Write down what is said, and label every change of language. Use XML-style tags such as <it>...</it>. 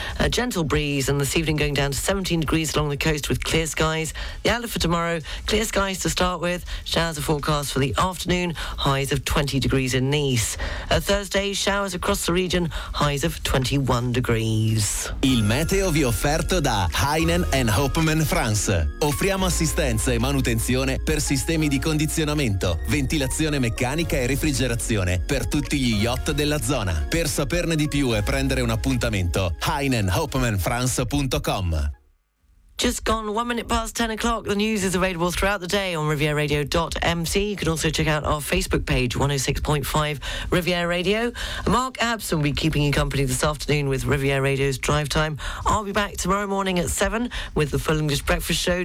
<en>A gentle breeze and this evening going down to 17 degrees along the coast with clear skies. The outlook for tomorrow, clear skies to start with. Showers are forecast for the afternoon, highs of 20 degrees in Nice. A Thursday, showers across the region, highs of 21 degrees.</en> <it>Il meteo vi offerto da Heinen and Hopman France. Offriamo assistenza e manutenzione per sistemi di condizionamento, ventilazione meccanica e refrigerazione per tutti gli yacht della zona. Per saperne di più e prendere un appuntamento, heinenhopmanfrance.com.</it> <en>Just gone 1 minute past 10 o'clock. The news is available throughout the day on rivieradio.mc. You can also check out our Facebook page, 106.5 Riviera Radio. Mark Abson will be keeping you company this afternoon with Riviera Radio's Drive Time. I'll be back tomorrow morning at 7 with the Full English Breakfast Show.</en>